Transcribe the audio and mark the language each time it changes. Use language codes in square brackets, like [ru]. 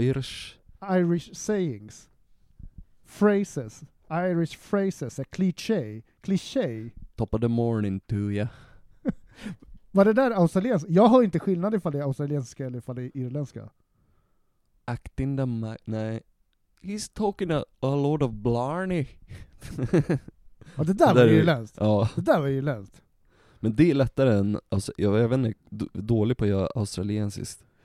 [en] Irish. Irish sayings, phrases, Irish phrases, a cliché. Top of the morning to ya. [sv] Var det där australienska? Jag har inte skillnad ifall det är australienska eller ifall det är irländska. [en] Acting the [sv] nej. [en] He's talking a lot of blarney. [sv] Ja, det där var irländskt. Ja. Det där var irländskt. Men det är lättare än, alltså, jag vet inte, dålig på att göra australiensiskt.